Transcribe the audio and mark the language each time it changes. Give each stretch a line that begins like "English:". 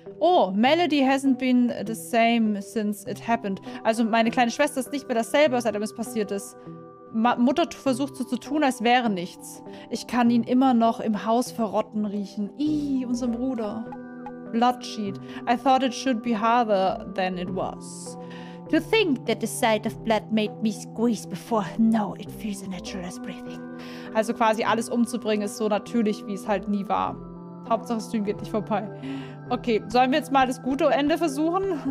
English: Oh, Melody hasn't been the same since it happened.
German: Also meine kleine Schwester ist nicht mehr dasselbe, seitdem es passiert ist. Mutter versucht so zu tun, als wäre nichts. Ich kann ihn immer noch im Haus verrotten riechen. Ihh, unserem Bruder. Bloodsheet.
English: I thought it should be harder than it was. To think that the sight of blood made me squeeze before. No, it feels as natural as breathing.
German: Also quasi alles umzubringen ist so natürlich, wie es halt nie war. Hauptsache, das Stream geht nicht vorbei. Okay, sollen wir jetzt mal das gute Ende versuchen?